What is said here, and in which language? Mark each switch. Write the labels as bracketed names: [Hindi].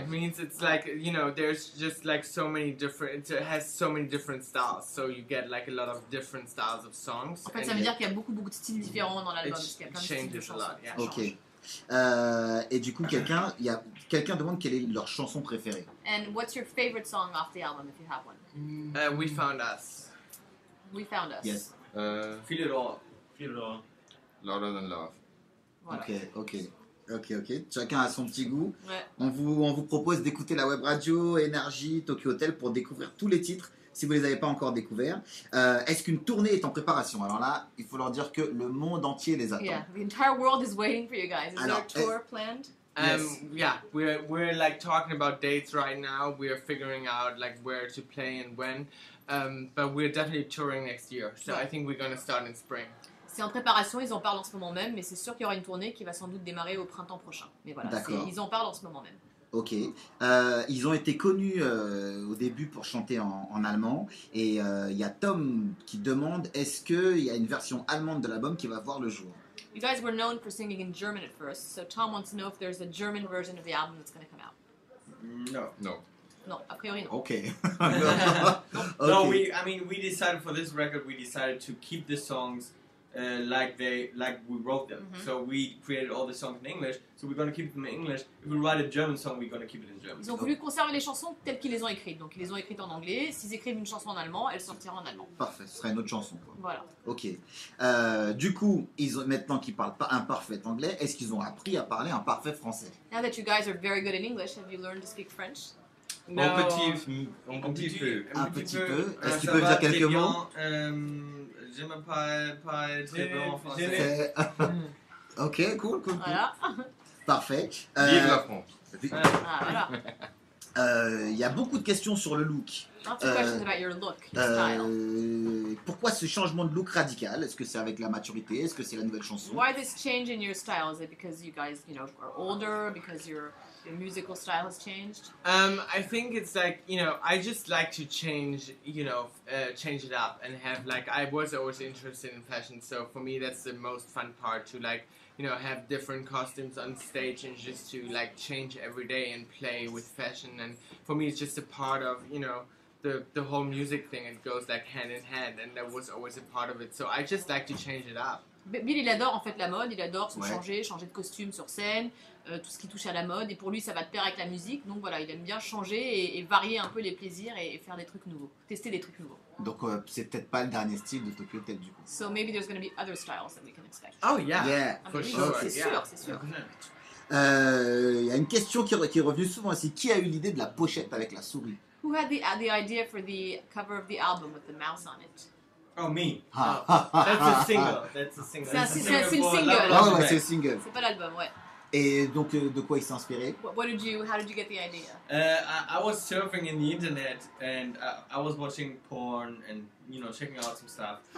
[English] It means it's like, you know, there's just like so many different, it has so many different styles. So you get like a lot of different styles of songs. [French] En fait, ça veut dire qu'il y a beaucoup de styles différents dans l'album. [English] It changes a lot, yeah. [French] Ok. Et du coup, quelqu'un demande quelle est leur chanson préférée. [English] And what's your favorite song off the album, if you have one? We Found Us. We Found Us. Yes. Feel It All. Feel It All. Louder Than Love. [French] Voilà. Ok. Chacun a son petit goût. Ouais. On vous propose d'écouter la web radio Energy Tokyo Hotel pour découvrir tous les titres si vous ne les avez pas encore découverts. Est-ce qu'une tournée est en préparation? Alors là, il faut leur dire que le monde entier les attend. [English] Yeah, the entire world is waiting for you guys. Is there a tour planned? Yes. Yeah, we're like talking about dates right now. We are figuring out like where to play and when. But we're definitely touring next year, so I think we're going to start in spring. [French] C'est en préparation, ils en parlent en ce moment même, mais c'est sûr qu'il y aura une tournée qui va sans doute démarrer au printemps prochain. Mais voilà, ils en parlent en ce moment même. Ok. Ils ont été connus au début pour chanter en allemand, et il y a Tom qui demande, est-ce qu'il y a une version allemande de l'album qui va voir le jour? [English] You guys were known for singing in German at first, so Tom wants to know if there's a German version of the album that's going to come out. No. [French] Non, a priori non. [English] Okay. No, we decided for this record, we decided to keep the songs like we wrote them. Mm-hmm. So we created all the songs in English, so we're going to keep them in English. If we write a German song, we're going to keep it in German. [French] Ils ont voulu conserver les chansons telles qu'ils les ont écrites. Donc ils les ont écrites en anglais. S'ils écrivent une chanson en allemand, elle sortira en allemand. Parfait, ce sera une autre chanson. Quoi. Voilà. Ok. Du coup, maintenant qu'ils parlent pas un parfait anglais, est-ce qu'ils ont appris à parler un parfait français? [English] Now that you guys are very good in English, have you learned to speak French? No. [French] Un petit peu. Est-ce que tu peux dire quelques mots? Je me parle très bien en français. [English] Ok, cool. [French] Voilà. Parfait. Vive la France. Ah, voilà. Il y a beaucoup de questions sur le look. [English] Lots of questions about your look, your style. [French] Pourquoi ce changement de look radical? Est-ce que c'est avec la maturité? Est-ce que c'est la nouvelle chanson? [English] Why this change in your style? Is it because you guys, you know, are older? Because your musical style has changed? I think it's like, you know, I just like to change, you know, change it up and have, like, I was always interested in fashion, so for me that's the most fun part, to, like, you know, have different costumes on stage and just to, like, change every day and play with fashion. And for me, it's just a part of, you know, the whole music thing. It goes, like, hand in hand, and that was always a part of it. So I just like to change it up. [French] Bill, il adore, en fait, la mode. Il adore se changer, changer de costume sur scène, tout ce qui touche à la mode. Et pour lui, ça va de pair avec la musique. Donc, voilà, il aime bien changer et varier un peu les plaisirs et faire des trucs nouveaux, tester des trucs nouveaux. Donc, c'est peut-être pas le dernier style de Tokyo Hotel, du coup. [English] So maybe there's going to be other styles that we can expect. Oh, yeah. Yeah. For sure. [French] C'est sûr, [English] yeah. [French] C'est sûr. Y a une question qui est revenue souvent aussi. Qui a eu l'idée de la pochette avec la souris? [English] Who had the idea for the cover of the album with the mouse on it? Oh, me. That's a single. [French] Oh, ouais, c'est un single. C'est pas l'album, ouais. Et donc, de quoi il s'est inspiré? [English] How did you get the idea? I was surfing in the internet and I was watching porn and, you know, checking out some stuff.